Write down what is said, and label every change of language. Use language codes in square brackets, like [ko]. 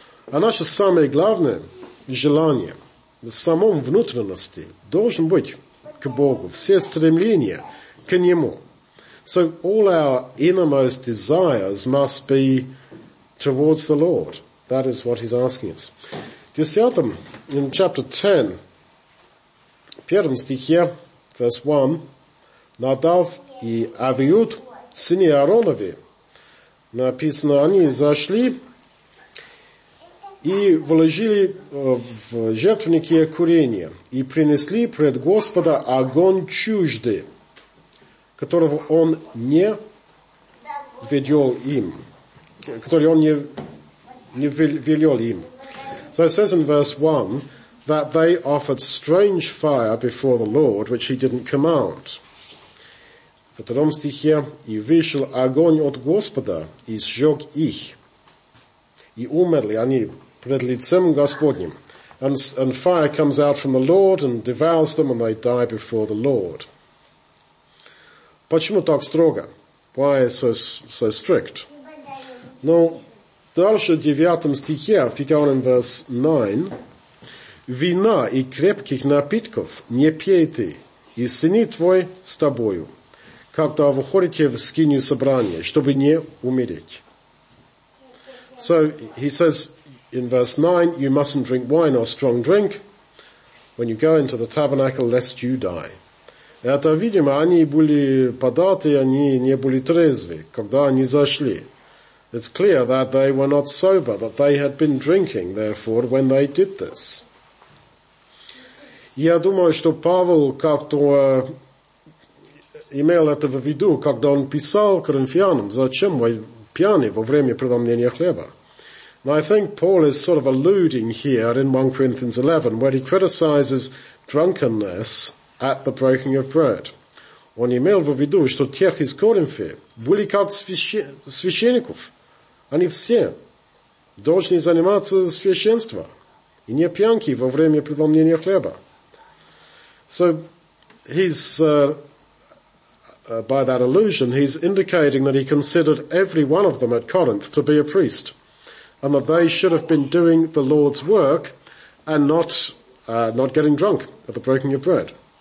[ru] А наше самое главное желание, в самом внутренности, должен быть к Богу, все стремления к Нему. [en] So all our innermost desires must be towards the Lord. That is what he's asking us. [ru] Десятом, [en] in chapter 10, [ru] первом стихе, [en] verse 1, [ru] Надав и Авиуд, сыны Ааронови, написано, они зашли и вложили в жертвенники курение и принесли пред Господа огонь чужды, которого он не ведел им, который он не велел им. [en] So it says in verse 1 that they offered strange fire before the Lord, which he didn't command. [ru] В втором стихе, и вышел огонь от Господа, и сжег их. И умерли они пред лицем Господним. [en] And fire comes out from the Lord and devours them, and they die before the Lord. [ru] Почему так строго? [en] Why so strict? [ru] Ну, дальше в девятом стихе, фига он [en] in verse 9, [ru] вина и крепких напитков не пейте, и сыны твои с тобою, когда выходите в скинию собрания, чтобы не умереть. [en] So he says in verse 9, you mustn't drink wine or strong drink when you go into the tabernacle, lest you die. [ru] Это, видимо, они были податы, они не были трезвы, когда они зашли. [en] It's clear that they were not sober, that they had been drinking, therefore, when they did this. [ru] Я думаю, что Павел как-то имел это в виду, когда он писал коринфянам, зачем вы пьяны во время преломления хлеба. [en] And I think Paul is sort of alluding here in 1 Corinthians 11, where he criticizes drunkenness at the breaking of bread. [ru] Он имел в виду, что тех из Коринфи были как священников. Они все должны заниматься священством и не пьянки во время преломления хлеба. [en] So he's, by that allusion, he's indicating that he considered every one of them at Corinth to be a priest and that they should have been doing the Lord's work and not getting drunk at the breaking of bread.